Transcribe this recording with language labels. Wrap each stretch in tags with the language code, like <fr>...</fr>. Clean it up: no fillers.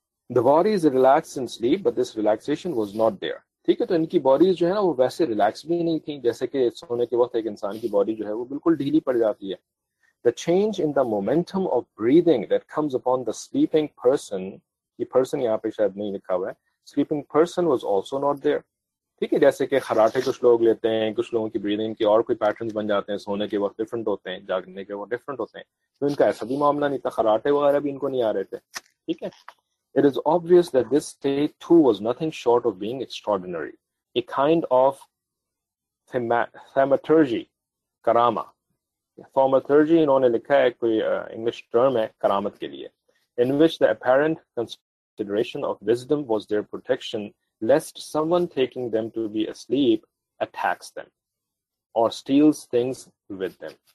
<en>The body is relaxed in sleep, but this relaxation was not there.</en> <ur>ٹھیک ہے, تو ان کی باڈیز جو ہے نا وہ ویسے ریلیکس بھی نہیں تھیں جیسے کہ سونے کے وقت ایک انسان کی باڈی جو ہے وہ بالکل ڈھیلی پڑ جاتی ہے.</ur> <en>The change in the momentum of breathing that comes upon the sleeping person,</en> <ur>یہ person یہاں پہ شاید نہیں لکھا ہوا ہے,</ur> <en>sleeping person was also not there.</en> <ur>ٹھیک ہے, جیسے کہ خراٹے کچھ لوگ لیتے ہیں, کچھ لوگوں کی بریدنگ کے اور کوئی پیٹرنز بن جاتے ہیں, سونے کے وقت ڈفرنٹ ہوتے ہیں, جاگنے کے وقت ڈفرنٹ ہوتے ہیں, تو ان کا ایسا بھی معاملہ نہیں تھا, خراٹے وغیرہ بھی ان کو نہیں آ رہے تھے. ٹھیک ہے,</ur> <en>it is obvious that this state too was nothing short of being extraordinary, a kind of thaumaturgy, karama. Thaumaturgy</en> <ur>انہوں نے لکھا ہے, کوئی انگلش ٹرم ہے کرامت کے لیے,</ur> <en>in which the apparent consideration of wisdom was their protection, lest someone taking them to be asleep attacks them or steals things with them.</en>